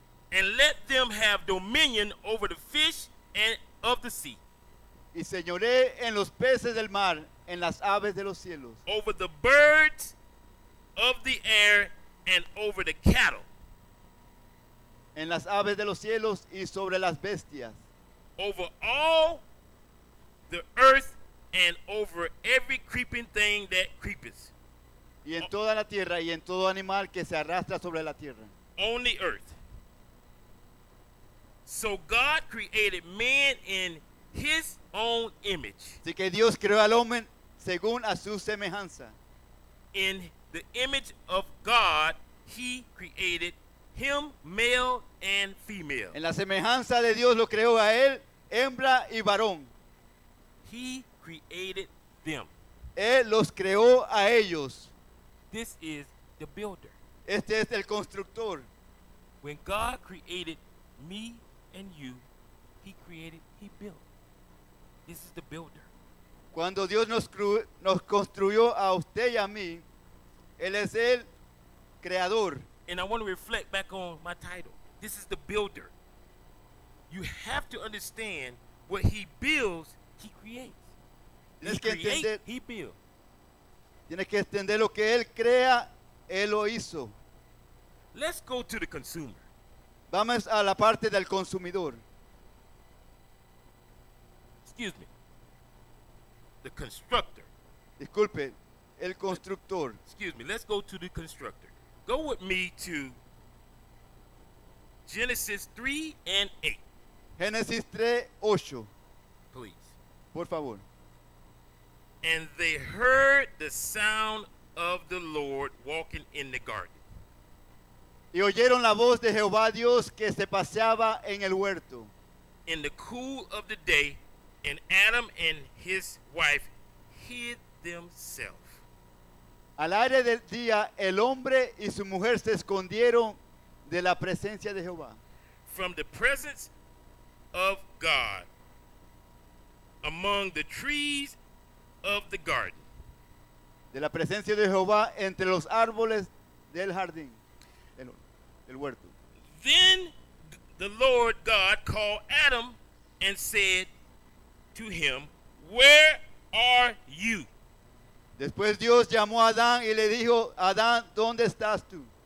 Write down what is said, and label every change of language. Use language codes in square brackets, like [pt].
[en] And let them have dominion over the fish and of the sea. [es] Y señoree en los peces del mar, en las aves de los cielos. [en] Over the birds of the air and over the cattle. [es] En las aves de los cielos y sobre las bestias. [en] Over all the earth and over every creeping thing that creepeth. [es] Y en toda la tierra y en todo animal que se arrastra sobre la tierra. [en] On the earth. So God created man in his own image. [es] Así que Dios creó al hombre según a su semejanza. [en] In the image of God, he created him male and female. [es] En la semejanza de Dios lo creó a él, hembra y varón. [en] He created them. [es] Él los creó a ellos. [en] This is the builder. [es] Este es el constructor. [en] When God created me and you, he built. This is the builder. [es] Cuando Dios nos construyó a usted y a mí, él es el creador. [en] And I want to reflect back on my title. This is the builder. You have to understand what he builds, he creates. He builds. [es] Tienes que entender lo que él crea, él lo hizo. [en] Let's go to the consumer. [es] Vamos a la parte del consumidor. [en] Excuse me. The constructor. [es] Disculpe, el constructor. [en] Excuse me, let's go to the constructor. Go with me to Genesis 3 and 8. [es] Genesis 3, 8. [en] Please. [es] Por favor. [en] And they heard the sound of the Lord walking in the garden. [es] Y oyeron la voz de Jehová Dios que se paseaba en el huerto. [en] In the cool of the day, and Adam and his wife hid themselves. [es] Al aire del día, el hombre y su mujer se escondieron de la presencia de Jehová. [en] From the presence of God, among the trees of the garden. [es] De la presencia de Jehová entre los árboles del jardín, el huerto. [en] Then the Lord God called Adam and said to him, "Where are you?" [es] Después Dios llamó a Adán y le dijo, "Adán, ¿dónde estás tú?"